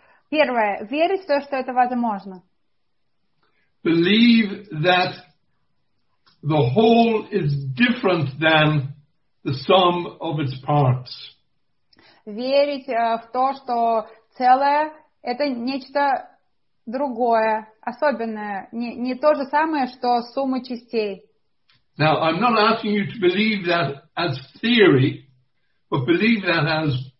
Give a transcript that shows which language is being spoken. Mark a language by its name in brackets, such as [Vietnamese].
[Russian] Первое, верить в то, что это возможно. [English] Believe that the whole is different than the sum of its parts. [Russian] Верить в то, что целое это нечто другое, особенное, не то же самое, что сумма частей. [English] Now, I'm not asking you to believe that as theory, but believe that as